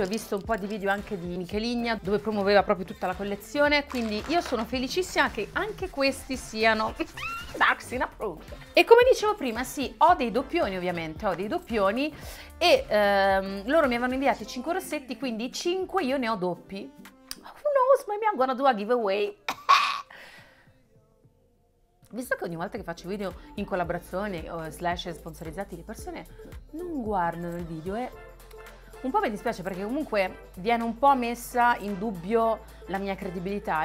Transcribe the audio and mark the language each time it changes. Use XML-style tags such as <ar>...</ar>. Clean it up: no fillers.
<it>Ho visto un po' di video anche di Michelinia dove promuoveva proprio tutta la collezione, quindi io sono felicissima che anche questi siano</it> <en>dark skin approved.</en> <it>E come dicevo prima, sì, ho dei doppioni e loro mi avevano inviati 5 rossetti, quindi 5 io ne ho doppi.</it> <en>Who knows, maybe I'm gonna do a giveaway.</en> <it>Visto che ogni volta che faccio video in collaborazione o slash sponsorizzati, le persone non guardano il video e un po' mi dispiace perché comunque viene un po' messa in dubbio la mia credibilità.</it>